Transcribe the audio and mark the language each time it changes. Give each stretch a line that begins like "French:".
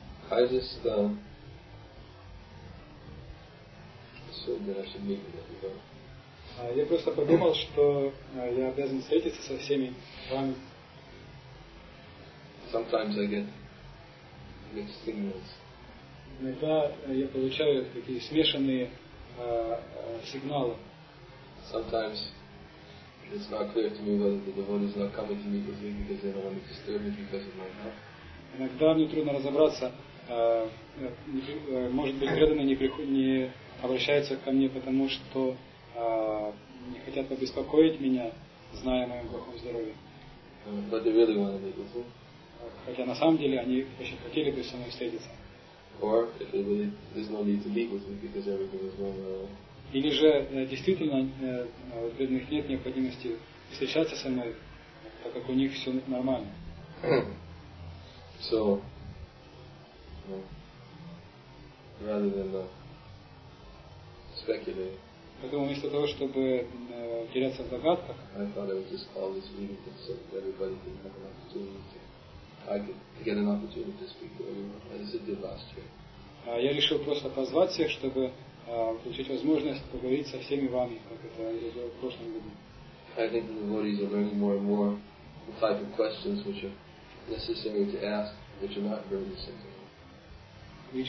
English: I just assumed that I should meet with everybody.
Russian: Я просто подумал, что я обязан встретиться со всеми вами.
English: Sometimes I get mixed signals.
Russian: Иногда я получаю такие смешанные сигналы.
English: Sometimes it's not clear to me whether the devotees are coming to me because they don't want me to disturb me because of my health.
Russian: Иногда мне трудно разобраться. Может быть, преданные не обращаются ко мне, потому что не хотят побеспокоить меня, зная о моем плохом здоровье.
English: But they really want to meet with me.
Russian: Хотя на самом деле они очень хотели бы со мной встретиться.
English: Or if they really, there's no need to meet with me because everything is going well.
Russian: Или же действительно у преданных нет необходимости встречаться со мной, так как у них все нормально.
English: So, rather than speculating.
Russian: Поэтому вместо того, чтобы теряться в догадках,
English: I thought I would just call this meeting so that everybody can have an opportunity to get an opportunity to speak to everyone, as it did last year.
Russian: Я решил просто позвать всех, чтобы получить возможность поговорить со всеми вами, как это я делал в прошлом году.
English: I think the devotees are learning more and more the type of questions which are necessary to ask, which are not burdensome to them.